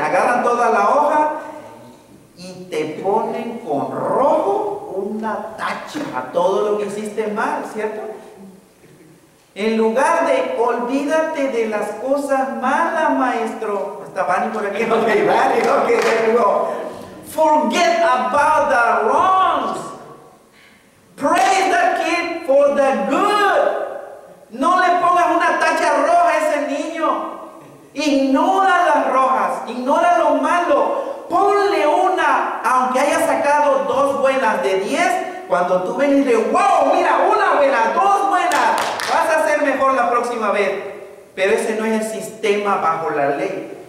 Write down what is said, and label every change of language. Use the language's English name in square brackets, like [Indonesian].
[Spanish] Agarran toda la hoja y te ponen con rojo una tacha a todo lo que hiciste mal, ¿cierto? En lugar de olvídate de las cosas malas, maestro. Está Vani por aquí. Ok, Vani, ok, tengo. [English] Forget about the wrongs. Praise the kid for the good. [Spanish] No le pongas una tacha roja a ese niño. Ignora las rojas. Ignora lo malo. Ponle una, aunque haya sacado dos buenas de 10. Cuando tú ven y le, wow, mira, una buena, dos buenas. Vas a ser mejor la próxima vez. Pero ese no es el sistema bajo la ley.